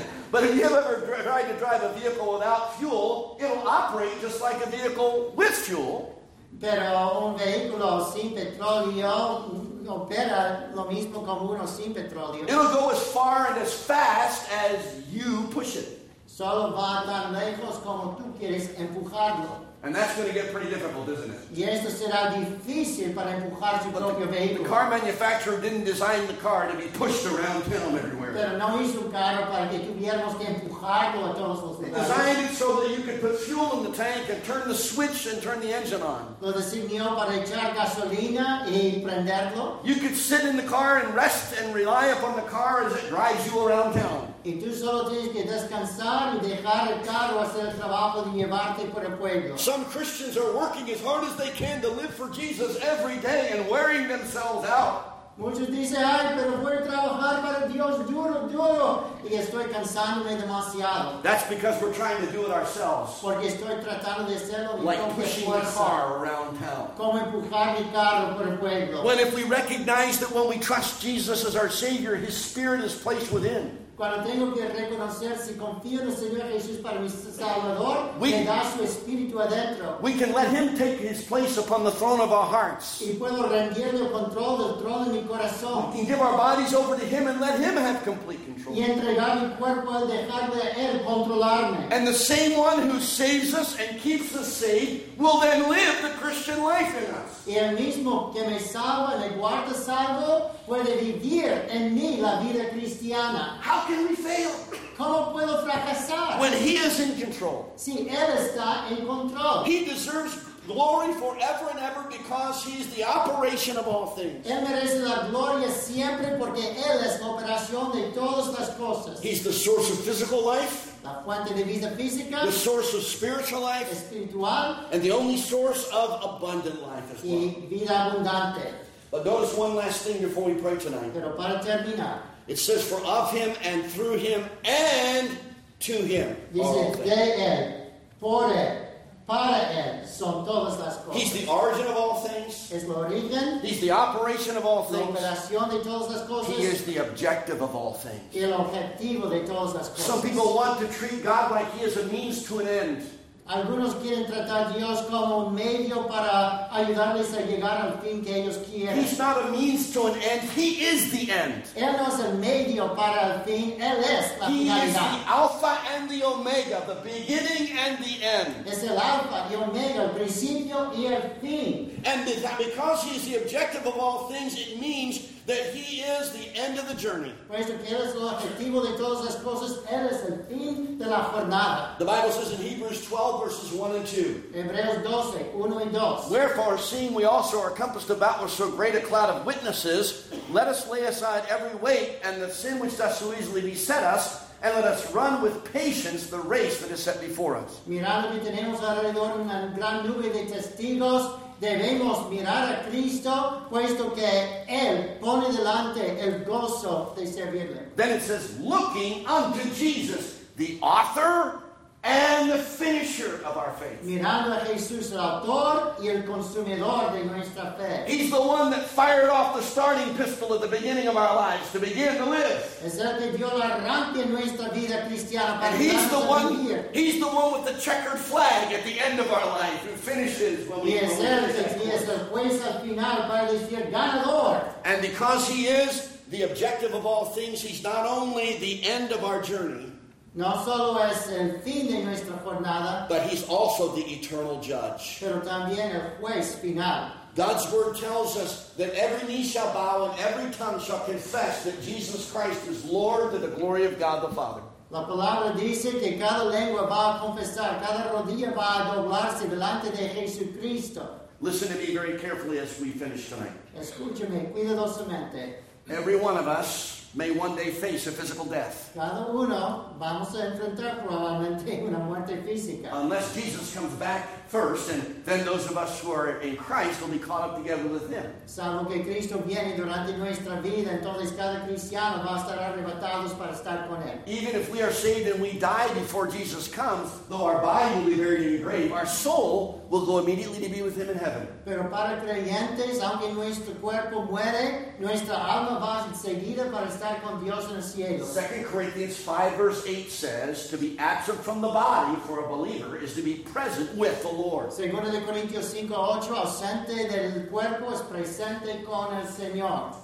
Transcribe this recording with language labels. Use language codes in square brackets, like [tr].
[en] But if you have ever tried to drive a vehicle without fuel, it'll operate just like a vehicle with fuel. [es] Pero un vehículo sin petróleo opera lo mismo como uno sin petróleo. [en] It'll go as far and as fast as you push it. [es] Solo va tan lejos como tú quieres empujarlo. [en] And that's going to get pretty difficult, isn't it? [es] Y esto será difícil para empujar su propio vehículo. [en] The car manufacturer didn't design the car to be pushed around town everywhere. [es] Pero no hizo un carro para que tuviéramos que empujarlo a todos los lugares. [en] He designed it so that you could put fuel in the tank and turn the switch and turn the engine on. [es] Lo diseñó para echar gasolina y prenderlo. [en] You could sit in the car and rest and rely upon the car as it drives you around town. [es] Y tú solo tienes que descansar y dejar el carro hacer el trabajo de llevarte por el pueblo. [en] Some Christians are working as hard as they can to live for Jesus every day and wearing themselves out. [es] Muchos dicen, ay, pero voy a trabajar para Dios duro, duro, y estoy cansándome demasiado. [en] That's because we're trying to do it ourselves. [es] Porque estoy tratando de hacerlo y [en] like pushing [es] fuerza. [en] A car around town. [es] Como empujar mi carro por el pueblo. [en] Well, if we recognize that when we trust Jesus as our Savior, His Spirit is placed within. [es] Cuando tengo que reconocer si confío en el Señor Jesús para mi Salvador, me da su Espíritu adentro. [en] We can let Him take His place upon the throne of our hearts. [es] Y puedo rendirle el control del trono de mi corazón. [en] We can give our bodies over to Him and let Him have complete control. [es] Y entregar mi cuerpo al dejarle a Él controlarme. [en] And the same one who saves us and keeps us saved will then live the Christian life in us. [es] Y el mismo que me salva y me guarda salvo puede vivir en mí la vida cristiana. [en] How can we fail? [es] ¿Cómo puedo fracasar? [en] When He is in control. [es] Si Él está en control. [en] He deserves glory forever and ever because He is the operation of all things. [es] Él merece la gloria siempre porque Él es la operación de todas las cosas. [en] He's the source of physical life. [es] La fuente de vida física. [en] The source of spiritual life. [es] Espiritual. [en] And the only source of abundant life as well. [es] Y vida abundante. [en] But notice one last thing before we pray tonight. [es] Pero para terminar. [en] It says, for of Him, and through Him, and to Him. [es] Dice, de Él, por Él, para Él, son todas las cosas. [en] He's the origin of all things. [es] Es lo origen. [en] He's the operation of all things. [es] La operación de todas las cosas. [en] He is the objective of all things. [es] El objetivo de todas las cosas. [en] Some people want to treat God like He is a means to an end. [es] Algunos quieren tratar a Dios como medio para ayudarles a llegar al fin que ellos quieren. [en] He's not a means to an end. He is the end. [es] Él no es el medio para el fin. Él es la finalidad. [en] He is the Alpha and the Omega, the beginning and the end. [es] Es el Alpha y Omega, el principio y el fin. [en] And because He is the objective of all things, it means that He is the end of the journey. [es] Puesto que Él es el objetivo de todas las cosas, Él es el fin de la jornada. [en] The Bible says in Hebrews 12, verses 1 and 2. [es] Hebreos 12, 1 y 2. [en] Wherefore, seeing we also are compassed about with so great a cloud of witnesses, let us lay aside every weight and the sin which doth so easily beset us, and let us run with patience the race that is set before us. [es] Mirando que tenemos alrededor una gran nube de testigos, debemos mirar a Cristo, puesto que Él pone delante el gozo de servirle. [en] Then it says, looking unto Jesus, the author and the finisher of our faith. [es] Mirando a Jesús, el autor y el consumidor de nuestra fe. [en] He's the one that fired off the starting pistol at the beginning of our lives to begin to live. [es] Es el que dio la arranque en nuestra vida cristiana para vivir. [en] He's the one with the checkered flag at the end of our life who finishes when we move on. [es] Y es el juez al final para decir ganador. [en] And because He is the objective of all things, He's not only the end of our journey, [es] no solo es el fin de nuestra jornada, [en] but He's also the eternal judge. [es] Pero también el juez final. [en] God's word tells us that every knee shall bow and every tongue shall confess that Jesus Christ is Lord to the glory of God the Father. [es] La palabra dice que cada lengua va a confesar, cada rodilla va a doblarse delante de Jesucristo. [en] Listen to me very carefully as we finish tonight. [es] Escúchame cuidadosamente. [en] Every one of us may one day face a physical death. [es] Cada uno vamos a enfrentar probablemente una muerte física. [en] Unless Jesus comes back first, and then those of us who are in Christ will be caught up together with Him. [es] Salvo que Cristo viene durante nuestra vida, entonces cada cristiano va a estar arrebatados para estar con Él. [en] Even if we are saved and we die before Jesus comes, though our body will be buried in the grave, our soul will go immediately to be with Him in heaven. [es] Pero para creyentes, aunque nuestro cuerpo muere, nuestra alma va enseguida para estar con Dios en el cielo. [en] 2 Corinthians 5 verse 8 says, to be absent from the body for a believer is to be present with the Lord. [es] Segundo de Corintios 5, 8, ausente del cuerpo es presente con el Señor.